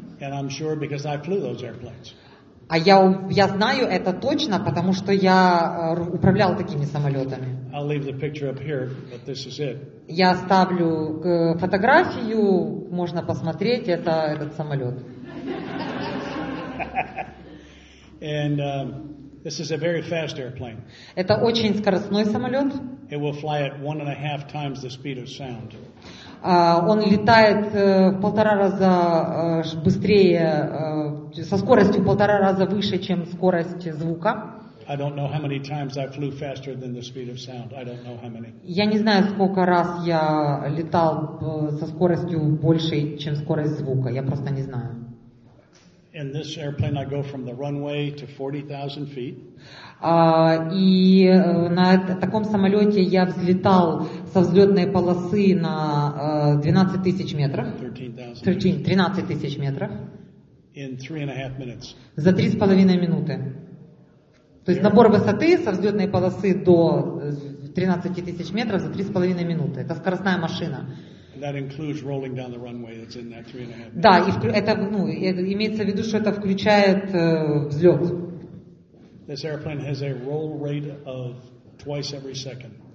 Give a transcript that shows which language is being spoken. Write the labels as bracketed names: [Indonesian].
[English] And I'm sure because I flew those airplanes. [Russian] А я знаю это точно, потому что я управлял такими самолетами. [English] I'll leave the picture up here, but this is it. [Russian] Я оставлю фотографию, можно посмотреть, это этот самолет. [English] And this is a very fast airplane. [Russian] Это очень скоростной самолет. [English] It will fly at 1.5 times the speed of sound. [Russian] Он летает в полтора раза быстрее, со скоростью полтора раза выше, чем скорость звука. [English] I don't know how many times I flew faster than the speed of sound. I don't know how many. [Russian] Я не знаю, сколько раз я летал со скоростью большей, чем скорость звука. Я просто не знаю. [English] In this airplane, I go from the runway to 40,000 feet. [Russian] И на таком самолете я взлетал со взлетной полосы на 12 тысяч метров. 13 тысяч метров. [English] In 3.5 minutes. [Russian] За 3.5 минуты. То есть набор высоты со взлетной полосы до 13 тысяч метров за 3.5 минуты. Это скоростная машина. [English] That includes rolling down the runway. That's in that 3.5 minutes. [Russian] Да, и это, ну, имеется в виду, что это включает взлет. [English] This airplane has a roll rate of twice every second.